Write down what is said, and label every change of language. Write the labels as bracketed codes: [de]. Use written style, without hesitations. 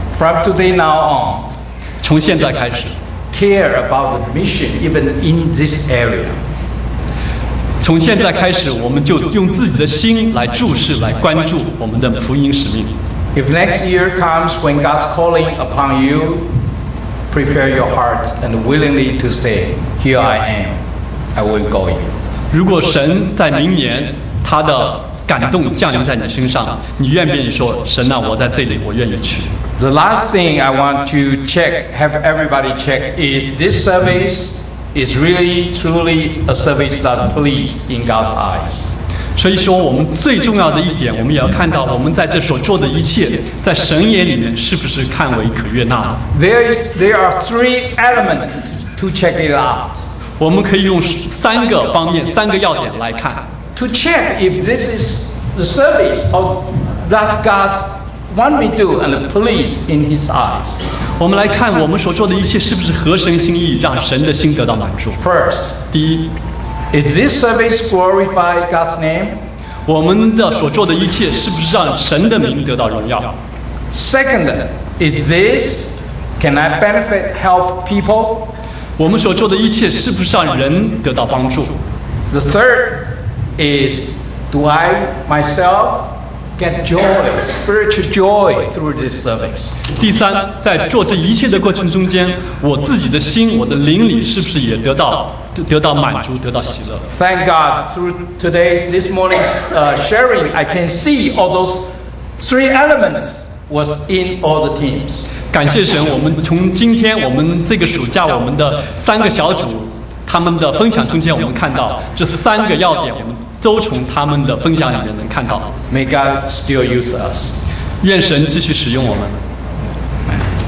[en] From today now on. [zh] 从现在开始。 [en] Care about the mission even in this area. [zh] 从现在开始，我们就用自己的心来注视、来关注我们的福音使命。 [en] If next year comes when God's calling upon you, prepare your heart and willingly to say, "Here I am. I will go." [zh] 如果神在明年他的感动降临在你身上，你愿不愿意说，神啊，我在这里，我愿意去。 [en] The last thing I want to check, have everybody check, is this service is really, truly a service that pleased in God's eyes. [zh] 所以说，我们最重要的一点，我们也要看到，我们在这所做的一切，在神眼里面是不是看为可悦纳。 [en] There are three elements to check it out. [zh] 我们可以用三个方面，三个要点来看。 [en] To check if this is the service of that God wants me to do and please in His eyes. [zh] 我们来看我们所做的一切是不是合神心意，让神的心得到满足。 [en] First, [zh] 第一 [en] is this service glorify God's name? [zh] 我们的所做的一切是不是让神的名得到荣耀 [en] ？Second, is this can I benefit help people? [zh] 我们所做的一切是不是让人得到帮助 [en] ？The third. Is do I myself get joy, spiritual joy through this service? [zh] 第三，在做这一切的过程中间，我自己的心，我的灵里，是不是也得到满足，得到喜乐 [en] ？Thank God through today's this morning's sharing, I can see all those three elements was in all the teams. [zh] 感谢神，我们从今天我们这个暑假我们的三个小组。他们的分享中间，我们看到这三个要点，我们都从他们的分享里面能看到。 [en] May God still use us. [zh] 愿神继续使用我们。